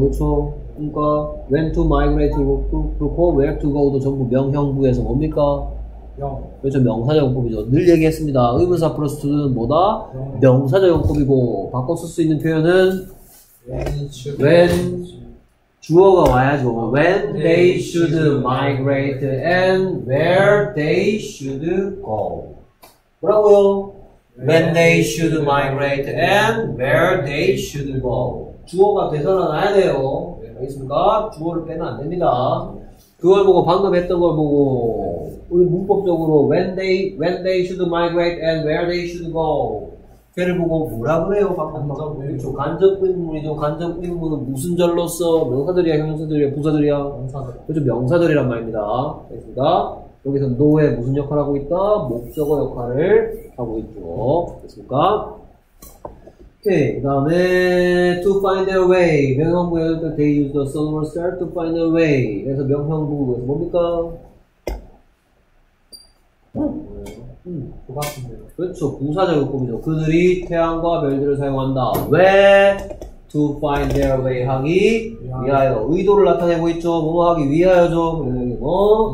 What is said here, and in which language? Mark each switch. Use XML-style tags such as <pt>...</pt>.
<ko>그렇죠? 그러니까</ko> <en>when to migrate</en> <ko>그렇고</ko> <en>where to go</en> <ko>도 전부 명형부에서 뭡니까? 명. 그렇죠. 명사적용법이죠. 늘 얘기했습니다. 의문사 플러스 to는 뭐다? 명사적용법이고 바꿔 쓸 수 있는 표현은</ko> <en>when</en> <ko>주어가 와야죠.</ko> <en>When they should migrate and where they should go.</en> <ko>뭐라고요?</ko> <en>When they should migrate and where they should go.</en> <ko>주어가 되살아나야 돼요. 알겠습니까? 주어를 빼면 안 됩니다. 그걸 보고 방금 했던 걸 보고 우리 문법적으로</ko> <en>when they should migrate and where they should go.</en> <ko>걔를 보고 뭐라고 해요? 간접 간접의문이죠. 간접의문은 무슨 절로서 명사들이야, 형용사들이야, 부사들이야. 명사들. 그렇죠. 명사들이란 말입니다. 알겠습니까? 여기서 노의 무슨 역할을 하고 있다? 목적어 역할을 하고 있죠. 됐습니까? 오케이. 그 다음에</ko> <en>to find their way.</en> <ko>명형부에</ko> <en>they use the sun or star to find their way.</en> <ko>그래서 명형부에서 뭡니까? 그렇죠. 부사적 요법이죠. 그들이 태양과 별들을 사용한다. 왜?</ko> <en>to find their way</en> <ko>하기 위하여. 의도를 나타내고 있죠. 뭐 하기 위하여죠. 그래서 여기 뭐?</ko>